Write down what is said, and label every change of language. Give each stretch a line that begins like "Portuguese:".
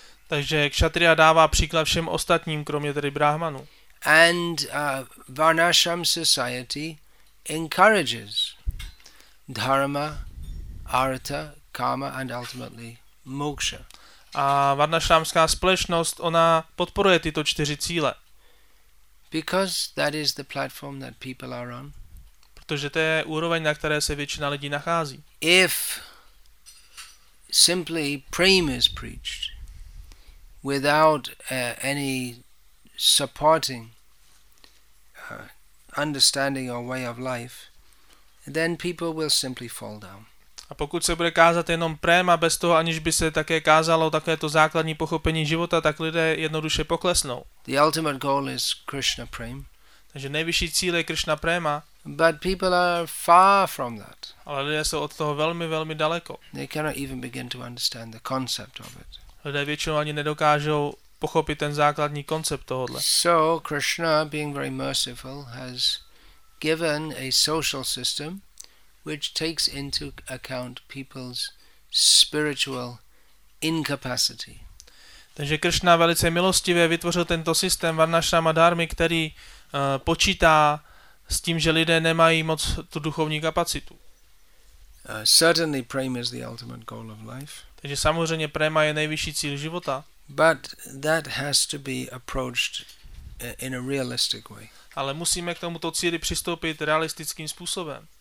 Czech: Takže kshatriya dává příklad všem ostatním kromě tedy brahmanů.
English: And varnashram society encourages dharma, artha, kama and ultimately moksha.
Czech: A varnashramská společnost ona podporuje tyto čtyři cíle.
English: Because that is the platform that people are on.
Czech: Protože to je úroveň, na které se většina lidí nachází.
English: If simply prema is preached without any supporting understanding or way of life, then people will simply fall down.
Czech: A pokud se bude kázat jenom prema bez toho, aniž by se také kázalo takovéto základní pochopení života, tak lidé jednoduše poklesnou.
English: The ultimate goal is Krishna prema.
Czech: Takže nejvyšší cíl je Krishna prema.
English: But people are far from that.
Czech: Ale lidé jsou od toho velmi, velmi daleko.
English: They cannot even begin to understand the concept of it.
Czech: Lidé většinou ani nedokážou pochopit ten základní koncept tohohle.
English: So Krishna, being very merciful, has given a social system which takes into account people's spiritual incapacity.
Czech: Takže Krishna velice milostivě vytvořil tento systém Varnashrama Dharmy, který počítá s tím, že lidé nemají moc tu duchovní kapacitu.
English: Certainly prema is the ultimate goal of life.
Czech: Takže samozřejmě prema je nejvyšší cíl života.
English: But that has to be approached in a realistic way.
Czech: Ale musíme k tomuto cíli přistoupit realistickým způsobem.